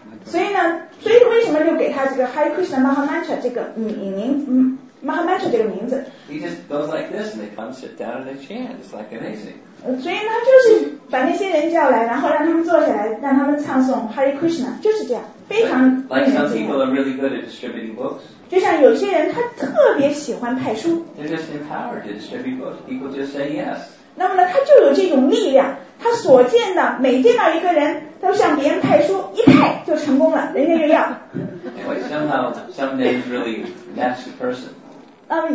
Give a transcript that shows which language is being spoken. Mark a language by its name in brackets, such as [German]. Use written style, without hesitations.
[Chinese] 所以为什么就给他这个 Hare Krishna Mahamantra 这个Mahamantra 这个名字。 [English] He just goes like this and they come sit down and they chant. It's like amazing. [Chinese] 所以他就是把那些人叫来，然后让他们坐下来，让他们唱诵 Hare Krishna, 就是这样，非常。 [English] Like some people are really good at distributing books. [Chinese] 就像有些人他特别喜欢派书。 [English] They're just empowered to distribute books. People just say yes. [Chinese] 那么呢，他就有这种力量。他所见的，每见到一个人，都向别人派书，一派就成功了，人家就要。 [English] Anyway, somehow, someday is really that's the person.